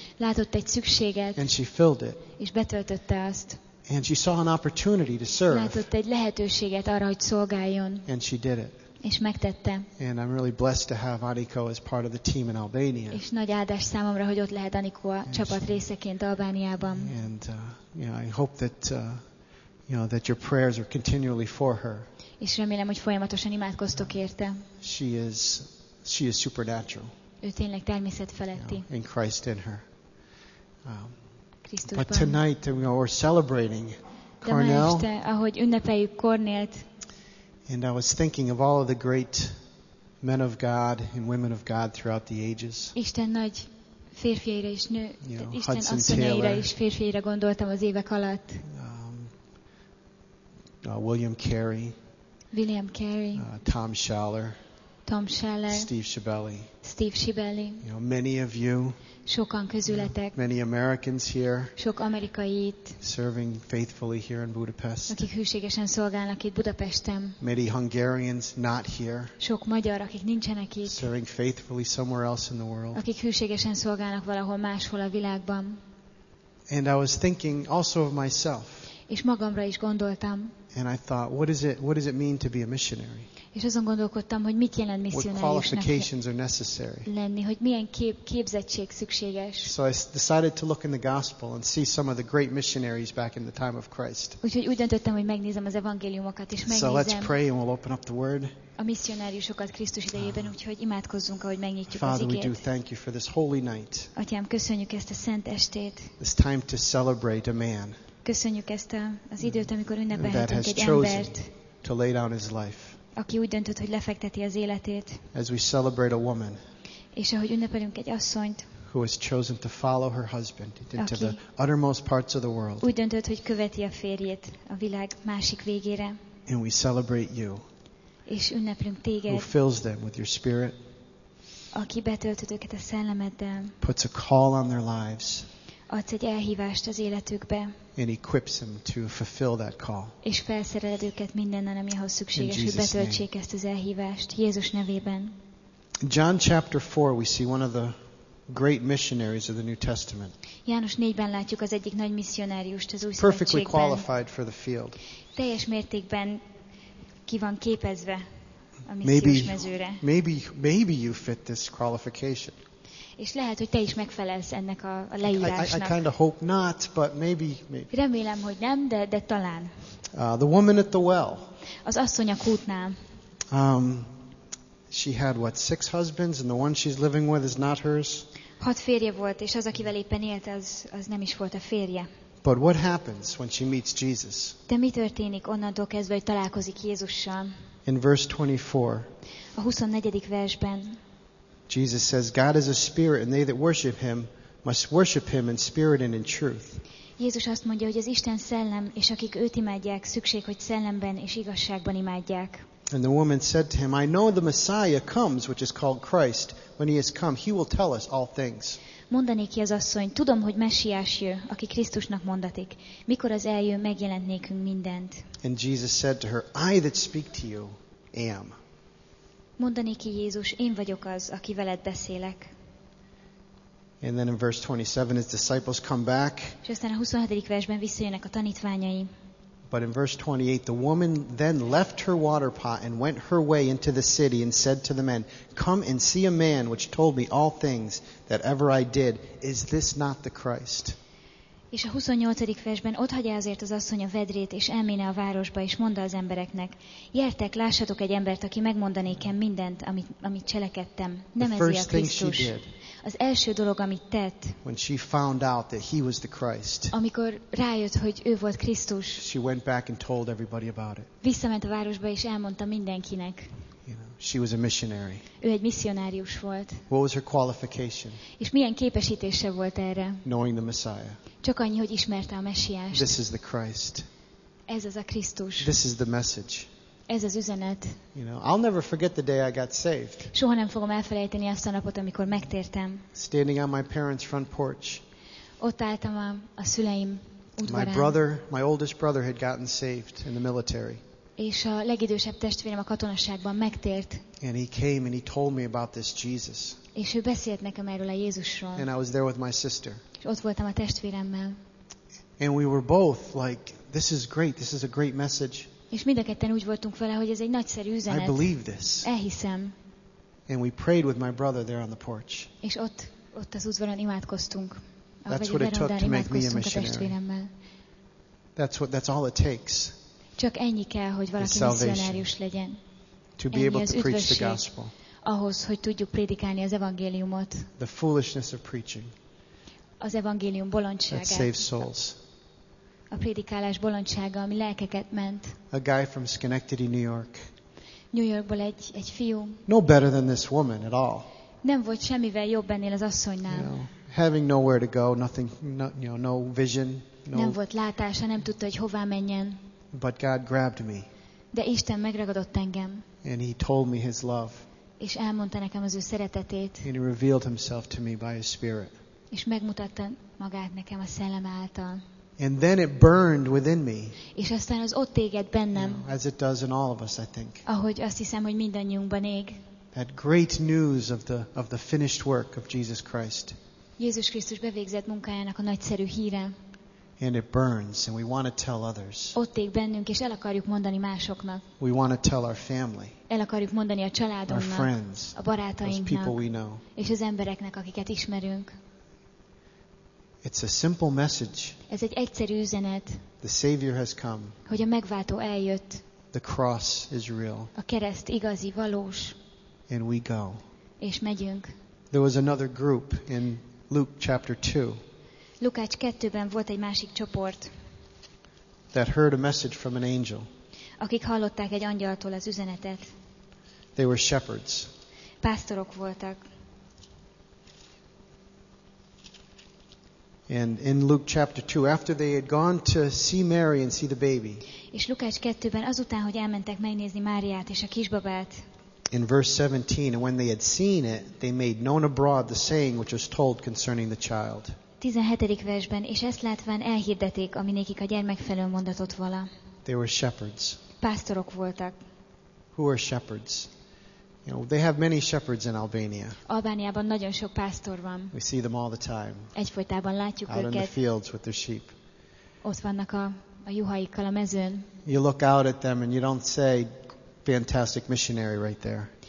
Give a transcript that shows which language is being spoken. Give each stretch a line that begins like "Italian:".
Hungarian: Látott egy szükséget.
English: And she filled it.
Hungarian: És betöltötte azt.
English: And she saw an opportunity to serve.
Hungarian: Látott egy lehetőséget arra, hogy szolgáljon.
English: And she did it.
Hungarian: És megtette.
English: And I'm really blessed to have Aniko as part of the team in Albania.
Hungarian: És nagy áldás számomra, hogy ott lehet Aniko a csapat részeként Albániában.
English: And I hope that that your prayers are continually for her.
Hungarian: És remélem, hogy folyamatosan imádkoztok érte.
English: She is supernatural.
Hungarian: Ő tényleg természetfeletti.
English: In Christ in her. But tonight we're celebrating Cornell.
Hungarian: De ma este, ahogy ünnepeljük Cornélt.
English: And I was thinking of all of the great men of God and women of God throughout the ages.
Hungarian: Isten nagy férfiaira és nő, Isten asszonyaira és férfiaira gondoltam az évek alatt.
English: William Carey.
Hungarian: William Carey.
English: Tom Schaller.
Hungarian: Tom Scheller,
English: Steve Shibeli. You know, many of you.
Hungarian: Sokan közületek.
English: Many Americans here.
Hungarian: Sok amerikait.
English: Serving faithfully here in Budapest.
Hungarian: Akik hűségesen szolgálnak itt Budapesten.
English: Many Hungarians not here.
Hungarian: Sok magyar, akik nincsenek itt.
English: Serving faithfully somewhere else in the world.
Hungarian: Akik hűségesen szolgálnak valahol máshol a világban.
English: And I was thinking also of myself.
Hungarian: És magamra is gondoltam.
English: And I thought, what does it mean to be a missionary?
Hungarian: És azon gondolkodtam, hogy mit jelent missionáriusnak lenni, hogy milyen képzettség szükséges.
English: So I decided to look in the gospel and see some of the great missionaries back in the time of Christ.
Hungarian: Úgyhogy úgy döntöttem, hogy megnézem az evangéliumokat, és megnézem.
English: So let's pray and we'll open up the word.
Hungarian: A missionáriusokat Krisztus idejében, úgyhogy imádkozzunk, ahogy megnyitjuk
English: Father,
Hungarian: az igét.
English: Father, we do thank you for this holy night.
Hungarian: Atyám, köszönjük ezt a szent estét.
English: It's time to celebrate a man.
Hungarian: Köszönjük ezt az időt, amikor ünnepelhetünk egy embert.
English: To lay down his life.
Hungarian: Aki úgy döntött, hogy lefekteti az életét.
English: As we celebrate a woman.
Hungarian: És ahogy ünnepelünk egy asszonyt.
English: Who has chosen to follow her husband into the uttermost parts of the world.
Hungarian: Úgy döntött, hogy követi a férjét a világ másik végére.
English: And we celebrate you.
Hungarian: És ünnepelünk téged.
English: Who fills them with your spirit.
Hungarian: Aki betöltöd őket a szellemeddel.
English: Puts a call on their lives.
Hungarian: Adsz egy elhívást az életükbe.
English: And equips them to fulfill that call.
Hungarian: És felszereled őket mindennel, ami ahhoz szükséges, hogy betöltsék ezt az elhívást Jézus nevében.
English: John chapter 4 we see one of the great missionaries of the New Testament.
Hungarian: János 4-ben látjuk az egyik nagy missionáriust az új szövetségben.
English: Perfectly qualified for the field.
Hungarian: Teljes mértékben ki van képezve a missziós mezőre.
English: Maybe you fit this qualification.
Hungarian: És lehet, hogy te is megfelelsz ennek a leírásnak.
English: I kind of hope not, but maybe.
Hungarian: Remélem, hogy nem, de talán.
English: The woman at the well.
Hungarian: Az asszony a kútnál.
English: She had what, 6 husbands, and the one she's living with is not hers.
Hungarian: 6 férje volt, és az, akivel éppen élt, az nem is volt a férje.
English: But what happens when she meets Jesus?
Hungarian: De mi történik onnantól kezdve, hogy találkozik Jézussal?
English: In verse 24.
Hungarian: A 24. versben.
English: Jesus says, God is a spirit, and they that worship him must worship him in spirit and in truth.
Hungarian: Jézus azt mondja, hogy az Isten szellem, és akik őt imádják, szükség, hogy szellemben és igazságban imádják.
English: And the woman said to him, I know the Messiah comes, which is called Christ. When he has come, he will tell us all things.
Hungarian: Mondanék ki az asszony, tudom, hogy Messiás jö, aki Krisztusnak mondatik. Mikor az eljő, megjelent nékünk mindent.
English: And Jesus said to her, I that speak to you am.
Hungarian: Mondanék ki Jézus, én vagyok az, aki veled beszélek.
English: And then in verse 27, his disciples come back.
Hungarian: És aztán a 27. versben visszajönnek a tanítványai.
English: But in verse 28, the woman then left her water pot and went her way into the city and said to the men, Come and see a man which told me all things that ever I did. Is this not the Christ?
Hungarian: És a 28. versben ott hagyja azért az asszony a vedrét, és elméne a városba, és mondja az embereknek, Jertek, lássatok egy embert, aki megmondanékem mindent, amit cselekedtem. Nem ez a Krisztus. Az első dolog, amit tett,
English: when she found out that he was the Christ,
Hungarian: amikor rájött, hogy ő volt Krisztus,
English: she went back and told everybody about it.
Hungarian: Visszament a városba, és elmondta mindenkinek.
English: She was a missionary.
Hungarian: Ő egy misszionárius volt.
English: What was her qualification?
Hungarian: És milyen képesítése volt erre?
English: Knowing the Messiah.
Hungarian: Csak annyi, hogy ismerte a Messiást.
English: This is the Christ.
Hungarian: Ez az a Krisztus.
English: This is the message.
Hungarian: Ez az üzenet.
English: You know, I'll never forget the day I got saved.
Hungarian: Soha nem fogom elfelejteni azt a napot, amikor megtértem.
English: Standing on my parents' front porch.
Hungarian: Ott álltam a szüleim udvarán.
English: My oldest brother had gotten saved in the military.
Hungarian: És a legidősebb testvérem a katonaságban megtért.
English: And he came and he told me about this Jesus.
Hungarian: És ő beszélt nekem erről a Jézusról.
English: And I was there with my sister.
Hungarian: És ott voltam a testvéremmel.
English: And we were both like, this is great, this is a great message.
Hungarian: És mind a ketten úgy voltunk vele, hogy ez egy nagyszerű üzenet.
English: I believe this.
Hungarian: Elhiszem.
English: And we prayed with my brother there on the porch.
Hungarian: És ott az udvaron imádkoztunk.
English: That's what it took to make me a missionary. That's all it takes.
Hungarian: Csak ennyi kell, hogy valaki misszionárius legyen.
English: To be able to preach the gospel.
Hungarian: Ahhoz, hogy tudjuk prédikálni az evangéliumot.
English: The foolishness of preaching.
Hungarian: Az evangélium bolondsága.
English: That saves souls.
Hungarian: A prédikálás bolondsága, ami lelkeket ment.
English: A guy from Schenectady, New York.
Hungarian: New Yorkból egy fiú.
English: No better than this woman at all.
Hungarian: Nem volt semmivel jobb ennél az asszonynál.
English: You know, having nowhere to go, nothing, no, you know, no vision. No...
Hungarian: Nem volt látása, nem tudta, hogy hová menjen.
English: But God grabbed me.
Hungarian: De Isten megragadott engem.
English: And he told me his love.
Hungarian: és elmondta nekem az ő szeretetét.
English: And he revealed himself to me by his spirit.
Hungarian: És megmutatta magát nekem a szellem által.
English: And then it burned within me.
Hungarian: És aztán az ott égett bennem.
English: You know, as it does in all of us, I think.
Hungarian: Ahogy azt hiszem, hogy mindannyiunkban ég.
English: That great news of the finished work of Jesus Christ.
Hungarian: Jézus Krisztus bevégzett munkájának a nagyszerű híre.
English: And it burns, and we want to tell others.
Hungarian: Ott ég bennünk, és el akarjuk mondani másoknak.
English: We want to tell our family.
Hungarian: El akarjuk mondani a családunknak.
English: Our friends.
Hungarian: A barátainknak.
English: Those people we know.
Hungarian: És az embereknek, akiket ismerünk.
English: It's a simple message.
Hungarian: Ez egy egyszerű üzenet.
English: The Savior has come.
Hungarian: Hogy a megváltó eljött.
English: The cross is real.
Hungarian: A kereszt igazi, valós.
English: And we go.
Hungarian: És megyünk.
English: There was another group in Luke chapter 2.
Hungarian: Lukács 2-ben volt egy másik csoport.
English: That heard a message from an angel.
Hungarian: Akik hallották egy angyaltól az üzenetet.
English: They were shepherds.
Hungarian: Pásztorok voltak.
English: And in Luke chapter 2, after they had gone to see Mary and see the baby.
Hungarian: És Lukács 2-ben azután, hogy elmentek megnézni Máriát és a kisbabát.
English: In verse 17, and when they had seen it, they made known abroad the saying which was told concerning the child.
Hungarian: 17. versben, és ezt látván elhirdették, ami nékik a gyermek felől mondatott vala.
English: They were shepherds.
Hungarian: Pásztorok voltak.
English: Who are shepherds? You know, they have many shepherds in Albania.
Hungarian: Albániában nagyon sok pásztor van.
English: We see them all the time.
Hungarian: Egyfolytában látjuk
English: out
Hungarian: őket.
English: Out in the fields with their sheep.
Hungarian: Ott vannak a juhaikkal a mezőn.
English: You look out at them and you don't say, fantastic missionary right there.